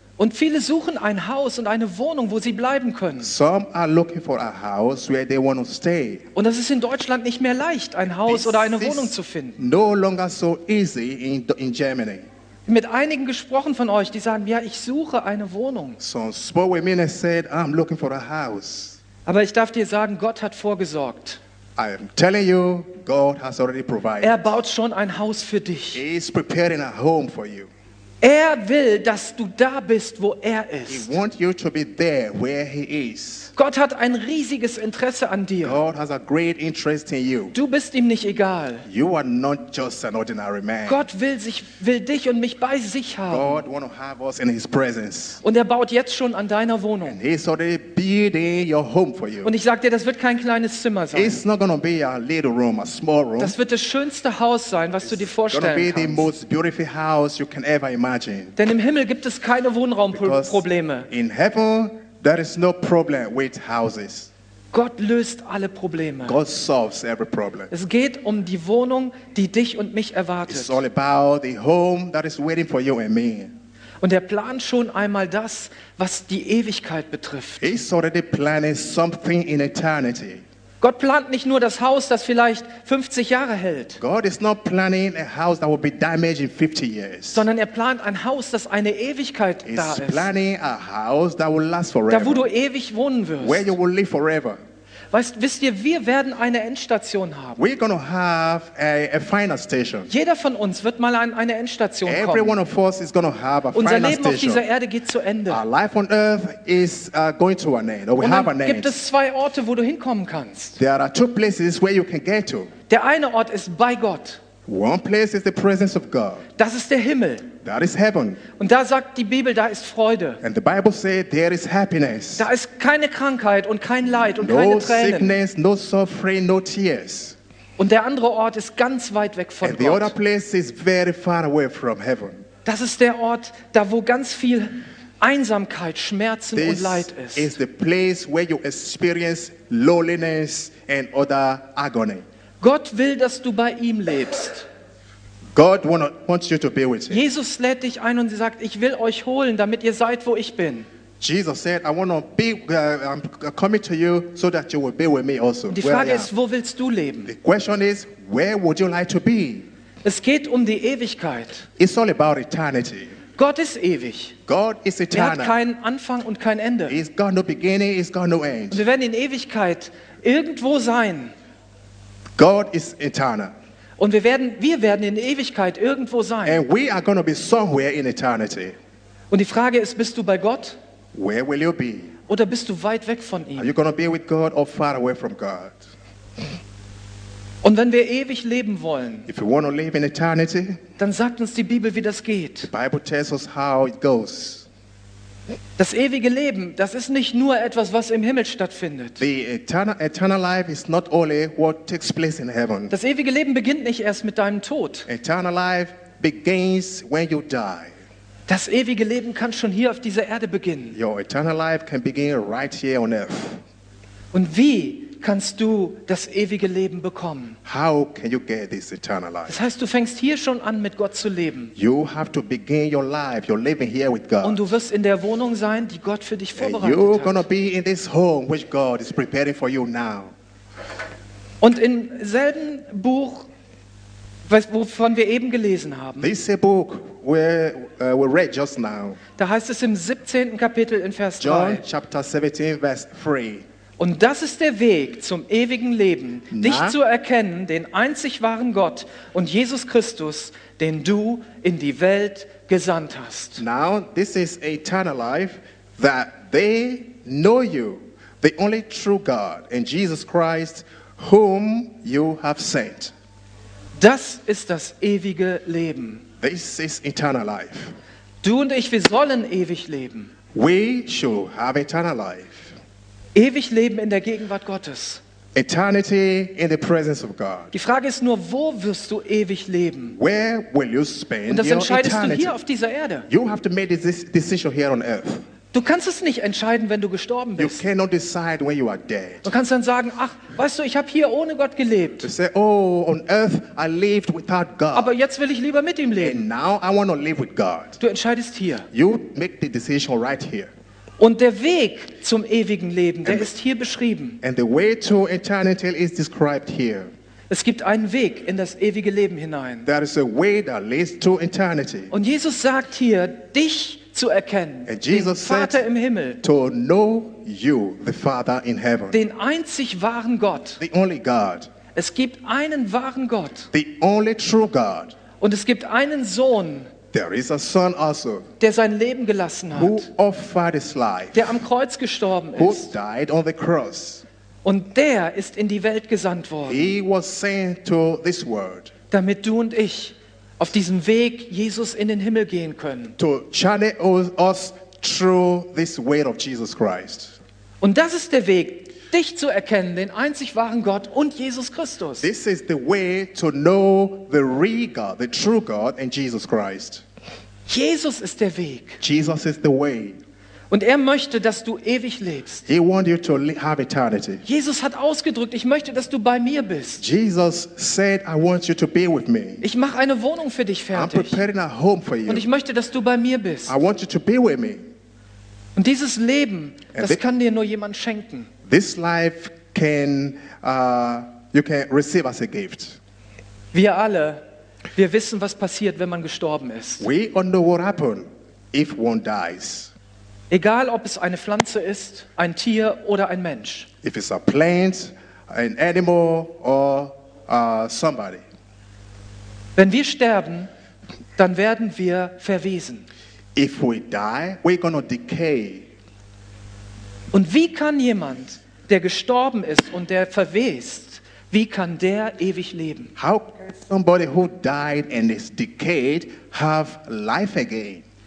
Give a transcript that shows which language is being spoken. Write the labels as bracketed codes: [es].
[de] Und viele suchen ein Haus und eine Wohnung, wo sie bleiben können. [en] Some are looking for a house where they want to stay. [de] Und das ist in Deutschland nicht mehr leicht, ein Haus [en] this [de] oder eine Wohnung zu finden. [en] No longer so easy in Germany. [de] Mit einigen gesprochen von euch, die sagen, ja, ich suche eine Wohnung. [en] Some spoke with me and said, I'm looking for a house. [de] Aber ich darf dir sagen, Gott hat vorgesorgt. [en] I am telling you, God has already provided. [de] Er baut schon ein Haus für dich. [en] He is preparing a home for you. [de] Er will, dass du da bist, wo er ist. [en] He wants you to be there where he is. [de] Gott hat ein riesiges Interesse an dir. [en] God has a great interest in you. [de] Du bist ihm nicht egal. [en] You are not just an ordinary man. [de] Gott will sich, will dich und mich bei sich haben. [en] God want to have us in his presence. [de] Und er baut jetzt schon an deiner Wohnung. [en] And he's already building your home for you. [de] Und ich sag dir, das wird kein kleines Zimmer sein. [en] It's not gonna be a little room, a small room. [de] Das wird das schönste Haus sein, was [en] it's [de] du dir vorstellen [en] gonna be [de] kannst. [en] The most beautiful house you can ever imagine. [de] Denn im Himmel gibt es keine Wohnraumprobleme. [en] In heaven there is no problem with houses. [de] Gott löst alle Probleme. [en] God solves every problem. [de] Es geht um die Wohnung, die dich und mich erwartet. [en] It's all about the home that is waiting for you and me. [de] Und er plant schon einmal das, was die Ewigkeit betrifft. [en] He's already planning something in eternity. [de] Gott plant nicht nur das Haus, das vielleicht 50 Jahre hält. [en] God is not planning a house that will be damaged in 50 years. [de] Sondern er plant ein Haus, das eine Ewigkeit [en] He's [de] da ist. [en] He's planning a house that will last forever. [de] Da wo du ewig wohnen wirst. [en] Where you will live forever. [de] Weißt, wisst ihr, wir werden eine Endstation haben. [en] We're gonna have a final station. [de] Jeder von uns wird mal an eine Endstation kommen. [en] Every one of us is gonna have a final [de] Unser Leben [en] station. [de] Auf dieser Erde geht zu Ende. [en] Our life on earth is going to an end. Or we [de] Und [en] have an end. [de] Gibt es zwei Orte, wo du hinkommen kannst? [en] There are two places where you can get to. [de] Der eine Ort ist bei Gott. [en] One place is the presence of God. [de] Das ist der Himmel. [en] That is heaven. [de] Und da sagt die Bibel, da ist Freude. [en] And the Bible says there is happiness. [de] Da ist keine Krankheit und kein Leid und [en] no [de] keine Tränen. [en] No sickness, no suffering, no tears. [de] Und der andere Ort ist ganz weit weg von [en] And [de] Gott. [en] The other place is very far away from heaven. [de] Das ist der Ort, da wo ganz viel Einsamkeit, Schmerzen [en] This [de] und Leid ist. [en] Is the place where you experience loneliness and other agony. [de] Gott will, dass du bei ihm lebst. [en] God wants you to be with him. [de] Jesus lädt dich ein und sagt, ich will euch holen, damit ihr seid, wo ich bin. [en] Jesus said, I want to be I'm coming to you so that you will be with me also. [de] Die Frage ist, wo willst du leben? [en] The question is, where would you like to be? [de] Es geht um die Ewigkeit. [en] It's all about eternity. [de] Gott ist ewig. [en] God is eternal. [de] Er hat keinen Anfang und kein Ende. [en] He's got no beginning, he's got no end. [de] Und wir werden in Ewigkeit irgendwo sein. [en] God is eternal. [de] Und wir werden in Ewigkeit irgendwo sein. [en] And we are going to be somewhere in eternity. [de] Und die Frage ist, bist du bei Gott? [en] Where will you be? [de] Oder bist du weit weg von ihm? [en] Are you going to be with God or far away from God? [de] Und wenn wir ewig leben wollen, [en] If you want to live in eternity, [de] dann sagt uns die Bibel, wie das geht. [en] The Bible tells us how it goes. [de] Das ewige Leben, das ist nicht nur etwas, was im Himmel stattfindet. [en] The eternal life is not only what takes place in heaven. [de] Das ewige Leben beginnt nicht erst mit deinem Tod. [en] Eternal life begins when you die. [de] Das ewige Leben kann schon hier auf dieser Erde beginnen. [en] Your eternal life can begin right here on earth. [de] Und wie kannst du das ewige Leben bekommen? [en] How can you get this eternal life? [de] Das heißt, du fängst hier schon an, mit Gott zu leben. [en] You have to begin your life, you're living here with God. [de] Und du wirst in der Wohnung sein, die Gott für dich vorbereitet hat. [en] You're gonna be in this home which God is preparing for you now. [de] Und im selben Buch, wovon wir eben gelesen haben, [en] this book we read just now. [de] Da heißt es im 17. Kapitel in Vers 3. [en] John chapter 17 verse 3. [de] Und das ist der Weg zum ewigen Leben, dich zu erkennen, den einzig wahren Gott und Jesus Christus, den du in die Welt gesandt hast. [en] Now, this is eternal life, that they know you, the only true God, and Jesus Christ, whom you have sent. [de] Das ist das ewige Leben. [en] This is eternal life. [de] Du und ich, wir sollen ewig leben. [en] We should have eternal life. [de] Ewig leben in der Gegenwart Gottes. [en] Eternity in the presence of God. [de] Die Frage ist nur, wo wirst du ewig leben? [en] Where will you spend your eternity? [de] Und das entscheidest du hier auf dieser Erde. [en] You have to make this decision here on earth. [de] Du kannst es nicht entscheiden, wenn du gestorben bist. [en] You cannot decide when you are dead. [de] Du kannst dann sagen, ach, weißt du, ich habe hier ohne Gott gelebt. [en] You say, oh, on earth I lived without God. [de] Aber jetzt will ich lieber mit ihm leben. [en] And now I want to live with God. [de] Du entscheidest hier. [en] You make the decision right here. [de] Und der Weg zum ewigen Leben, der ist hier beschrieben. [en] And the way to eternity is described here. [de] Es gibt einen Weg in das ewige Leben hinein. [en] There is a way that leads to eternity. [de] Und Jesus sagt hier, dich zu erkennen, [en] and Jesus [de] den Vater [en] said, [de] im Himmel, [en] to know you, the Father in heaven, [de] den einzig wahren Gott. [en] The only God. [de] Es gibt einen wahren Gott. [en] The only true God. [de] Und es gibt einen Sohn. [en] There is a son also, [de] der sein Leben gelassen hat, [en] who offered his life, [de] der am Kreuz gestorben [en] who [de] ist, [en] died on the cross. [de] Und der ist in die Welt gesandt worden, [en] he was sent to this world, [de] damit du und ich auf diesem Weg Jesus in den Himmel gehen können, [en] to channel us through this way of Jesus Christ. [de] Und das ist der Weg, dich zu erkennen, den einzig wahren Gott und Jesus Christus. [en] This is the way to know the real God, the true God and Jesus Christ. [de] Jesus ist der Weg. [en] Jesus is the way. [de] Und er möchte, dass du ewig lebst. [en] He wants you to have eternity. [de] Jesus hat ausgedrückt, ich möchte, dass du bei mir bist. [en] Jesus said, I want you to be with me. [de] Ich mache eine Wohnung für dich fertig. [en] I'm preparing a home for you. [de] Und ich möchte, dass du bei mir bist. [en] I want you to be with me. [de] Und dieses Leben, [en] and [de] das kann dir nur jemand schenken. [en] This life can you can receive as a gift. [de] Wir alle, wir wissen, was passiert, wenn man gestorben ist. [en] We all know what happens if one dies. [de] Egal, ob es eine Pflanze ist, ein Tier oder ein Mensch. [en] If it's a plant, an animal or somebody. [de] Wenn wir sterben, dann werden wir verwesen. [en] If we die, we're gonna decay. [de] Und wie kann jemand, der gestorben ist und der verwest, wie kann der ewig leben? [en] How can somebody who died and is decayed have life again?